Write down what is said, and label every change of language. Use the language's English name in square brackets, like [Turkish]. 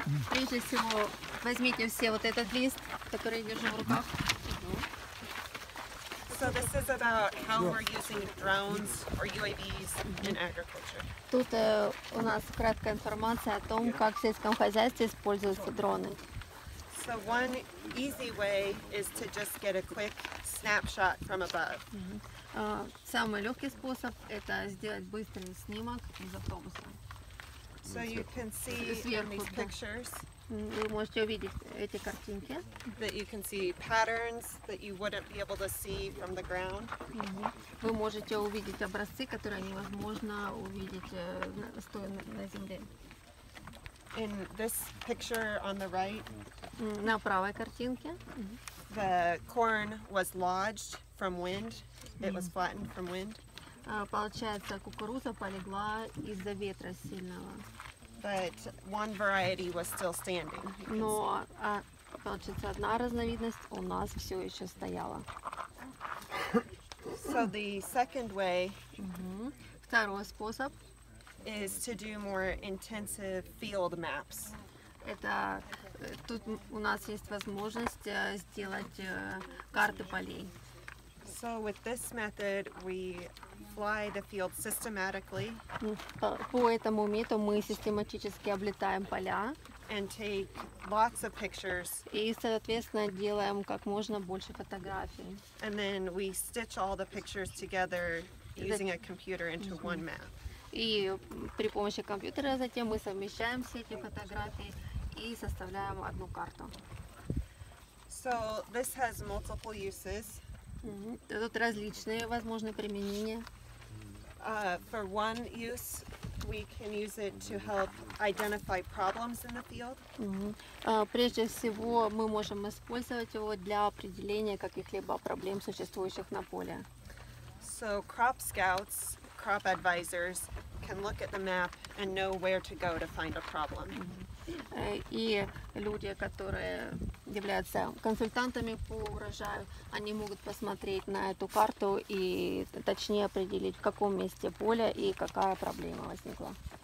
[Russian] Прежде всего, возьмите все вот этот лист, который я держу в руках. [English] So this is about how we're using drones or UAVs in agriculture. [Russian] Тут у нас краткая информация о том, как в сельском хозяйстве используются дроны. [English] So one easy way is to just get a quick snapshot from above. [Russian] Самый легкий способ – это сделать быстрый снимок из автобуса. [English] So you can see in these pictures. [Russian] Вы можете увидеть эти картинки. [English] That you can see patterns that you wouldn't be able to see from the ground. [Russian] Вы можете увидеть образцы, которые невозможно увидеть стоя на земле. [English] In this picture on the right. [Russian] На правой картинке. [English] The corn was lodged from wind. It was flattened from wind. [Russian] Получается, кукуруза полегла из-за ветра сильного. [English] But one variety was still standing. [Russian] Но, получается, одна разновидность у нас все еще стояла. [English] So the second way. [Russian] Второй способ. [English] Is to do more intensive field maps. [Russian] Это тут у нас есть возможность сделать карты полей. [English] So with this method we fly the field systematically. [Russian] По этому методу мы систематически облетаем поля. [English] And take lots of pictures. [Russian] И соответственно делаем как можно больше фотографий. [English] And then we stitch all the pictures together using a computer into one map. [Russian] И при помощи компьютера затем мы совмещаем все эти фотографии и составляем одну карту. [English] So this has multiple uses. [Russian] Тут различные возможные применения. [English] For one use, we can use it to help identify problems in the field. [Russian] Прежде всего, мы можем использовать его для определения каких-либо проблем, существующих на поле. [English] So crop scouts, crop advisors can look at the map and know where to go to find a problem. [Russian] И люди, которые являются консультантами по урожаю, они могут посмотреть на эту карту и точнее определить, в каком месте поля и какая проблема возникла.